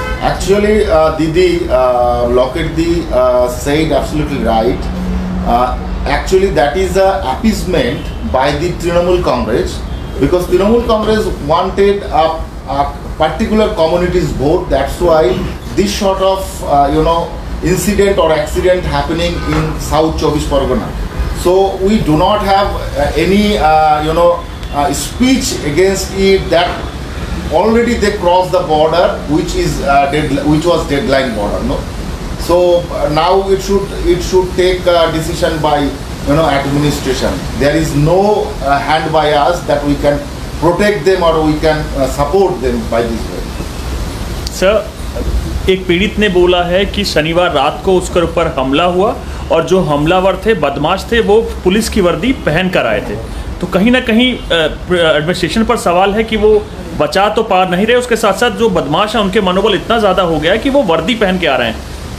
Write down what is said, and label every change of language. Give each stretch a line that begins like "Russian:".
English: Actually দিদি, Locket the said absolutely right, actually that is a appeasement by the Trinamool Congress, because Trinamool Congress wanted a particular communities vote, that's why this sort of you know incident or accident happening in south চব্বিশ Pargana. So we do not have any you know speech against it, that already they cross the border which is dead which was dead line border no. So now it should take a decision by administration. There is no hand by us that we can protect them or we can support them by this way.
Hindi: Sir, एक पीड़ित ने बोला है कि शनिवार रात को उसके ऊपर हमला हुआ और जो हमलावर थे, बदमाश थे, वो पुलिस की वर्दी पहन कर आए थे, तो कहीं ना कहीं एडमिनिस्ट्रेशन पर सवाल है कि वो बचा तो पा नहीं रहे, उसके साथ साथ जो बदमाश है उनके मनोबल इतना ज़्यादा हो गया कि वो वर्दी पहन के आ रहे हैं।